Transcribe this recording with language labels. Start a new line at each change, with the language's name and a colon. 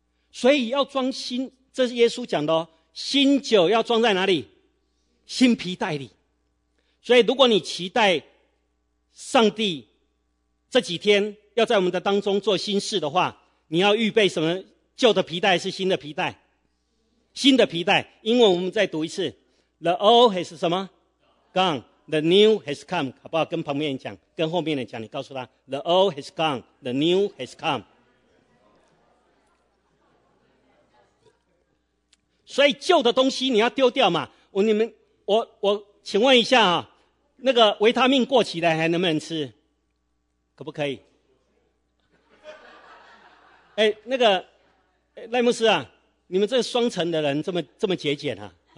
Chinese: 所以要装新，这是耶稣讲的哦，新酒要装在哪里？新皮袋里。所以如果你期待上帝这几天要在我们的当中做新事的话，你要预备什么？旧的皮袋还是新的皮袋？新的皮袋。英文我们再读一次，
English: The old has
Chinese: 什么
English: gone, the new has come,
Chinese: 好不好？跟旁边人讲，跟后面人讲，你告诉他 ，
English: The old has gone, the new has come。
Chinese: 所以旧的东西你要丢掉嘛。我请问一下啊，那个维他命过期了还能不能吃？可不可以？哎，那个赖牧师啊，你们这双层的人这么节俭啊？